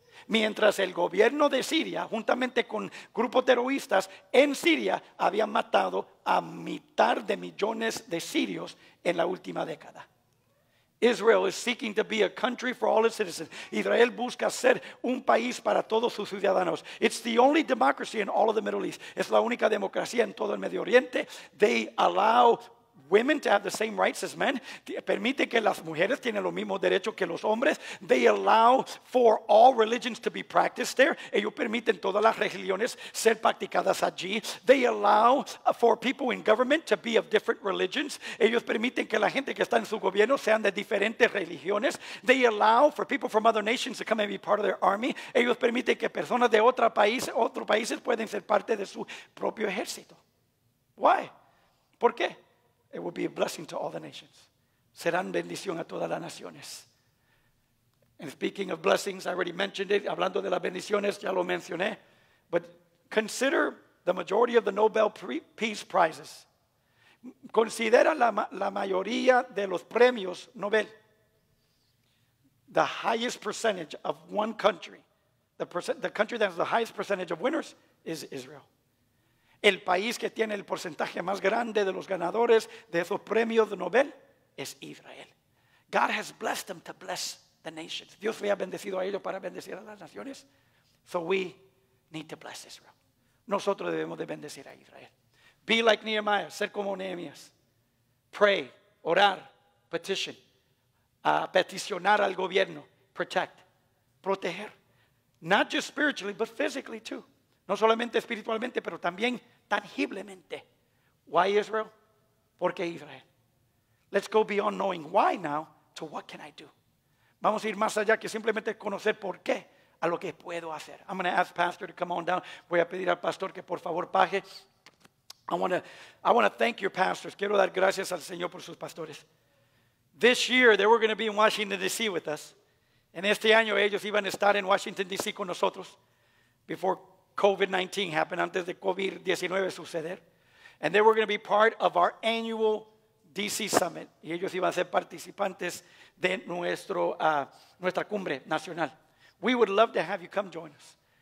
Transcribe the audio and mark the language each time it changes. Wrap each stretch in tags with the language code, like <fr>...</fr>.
<es>Mientras el gobierno de Siria, juntamente con grupos terroristas en Siria, habían matado a mitad de millones de sirios en la última década.</es> <en>Israel is seeking to be a country for all its citizens.</en> <es>Israel busca ser un país para todos sus ciudadanos.</es> <en>It's the only democracy in all of the Middle East.</en> <es>Es la única democracia en todo el Medio Oriente.</es> <en>They allow women to have the same rights as men.</en> <es>Permite que las mujeres tienen los mismos derechos que los hombres.</es> <en>They allow for all religions to be practiced there.</en> <es>Ellos permiten todas las religiones ser practicadas allí.</es> <en>They allow for people in government to be of different religions.</en> <es>Ellos permiten que la gente que está en su gobierno sean de diferentes religiones.</es> <en>They allow for people from other nations to come and be part of their army.</en> <es>Ellos permiten que personas de otros países pueden ser parte de su propio ejército.</es> <en>Why?</en> <es>¿Por qué?</es> <en>It will be a blessing to all the nations.</en> <es>Serán bendición a todas las naciones.</es> <en>And speaking of blessings, I already mentioned it.</en> <es>Hablando de las bendiciones, ya lo mencioné.</es> <en>But consider the majority of the Nobel Peace Prizes.</en> <es>Considera la mayoría de los premios Nobel.</es> <en>The highest percentage of one country, the country that has the highest percentage of winners is Israel.</en> <es>El país que tiene el porcentaje más grande de los ganadores de esos premios de Nobel es Israel.</es> <en>God has blessed them to bless the nations.</en> <es>Dios le ha bendecido a ellos para bendecir a las naciones.</es> <en>So we need to bless Israel.</en> <es>Nosotros debemos de bendecir a Israel.</es> <en>Be like Nehemiah,</en> <es>ser como Nehemías.</es> <en>Pray, orar, petition.</en> <es>Peticionar al gobierno,</es> <en>protect,</en> <es>proteger.</es> <en>Not just spiritually, but physically too.</en> <es>No solamente espiritualmente, pero también tangiblemente.</es> <en>Why Israel?</en> <es>¿Por qué Israel?</es> <en>Let's go beyond knowing why now to what can I do.</en> <es>Vamos a ir más allá que simplemente conocer por qué a lo que puedo hacer.</es> <en>I'm going to ask pastor to come on down.</en> <es>Voy a pedir al pastor que por favor baje.</es> <en>I want to thank your pastors.</en> <es>Quiero dar gracias al Señor por sus pastores.</es> <en>This year they were going to be in Washington D.C. with us.</en> <es>En este año ellos iban a estar en Washington D.C. con nosotros</es> <en>before COVID-19 happened,</en> <es>antes de COVID-19 suceder.</es> <en>And they were going to be part of our annual D.C. summit.</en> <es>Y ellos iban a ser participantes de nuestra cumbre nacional.</es> <en>We would love to have you come join us.</en>